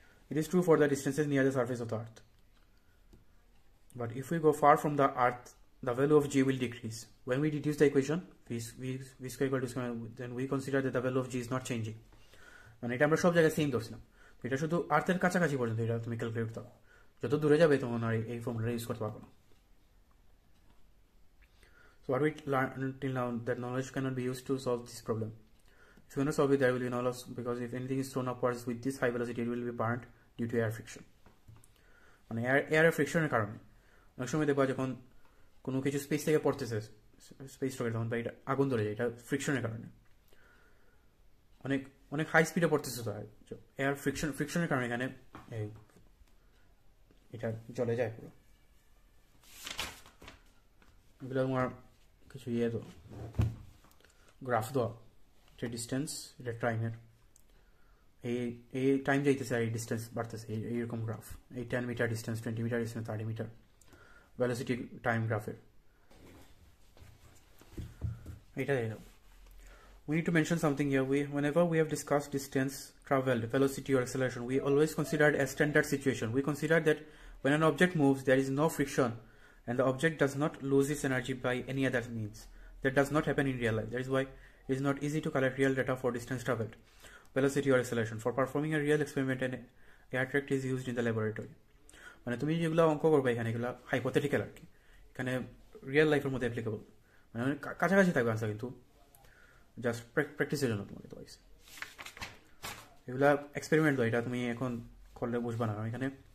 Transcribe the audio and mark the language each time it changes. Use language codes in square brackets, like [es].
[en] it is true for the distances near the surface of the earth, but if we go far from the earth the value of g will decrease, when we reduce the equation v square equal to square, then we consider the value of g is not changing, [bn] মানে এটা আমরা সব জায়গায় same ধরছিলাম, এটা শুধু আর্থের কাছাকাছি পর্যন্ত এটা তুমি ক্যালকুলেট করতে পারো, যত দূরে যাবে তখন আর এই ফর্মুলাটা ইউজ করতে পারবো না। [en] So what we learned till now, that knowledge cannot be used to solve this problem. If you cannot solve it, there will be no loss, because if anything is thrown upwards with this high velocity, it will be burnt due to air friction. [bn] মানে air ফ্রিকশনের কারণে অনেক সময় দেখবা যখন কোনো কিছু space থেকে পড়তেছে স্পেস রকেট, তখন বা এটা আগুন ধরে যায়, এটা ফ্রিকশনের কারণে, অনেক অনেক হাই স্পিডে পড়তেছে তো এয়ার ফ্রিকশন, ফ্রিকশনের কারণে এখানে এটা জ্বলে যায় পুরো, এগুলো তোমার কিছু ইয়ে দো গ্রাফ দো, এটা ডিস্টেন্স, এটা টাইমের, এই এই টাইম যাইতেছে আর এই ডিস্টেন্স বাড়তেছে, এই এইরকম গ্রাফ, এই 10 metre distance, 20 metre distance, 30 metre velocity time গ্রাফের, এইটা দেখো। [en] We need to mention something here, we whenever we have discussed distance travelled velocity or acceleration, we always considered a standard situation, we consider that when an object moves there is no friction and the object does not lose its energy by any other means. That does not happen in real life. That is why it is not easy to collect real data for distance traveled, velocity or acceleration. For performing a real experiment, an air tract is used in the laboratory. [bn] মানে তুমি যেগুলো অঙ্ক করবে এখানে এগুলো hypothetical আর কি, এখানে real লাইফের মধ্যে অ্যাপ্লিকেবল, মানে কাছাকাছি থাকবে আনসার, কিন্তু জাস্ট প্র্যাকটিসের জন্য তোমাকে তো বলছি, এগুলো এক্সপেরিমেন্ট দেয়, এটা তুমি এখন করলে বুঝবা না, এখানে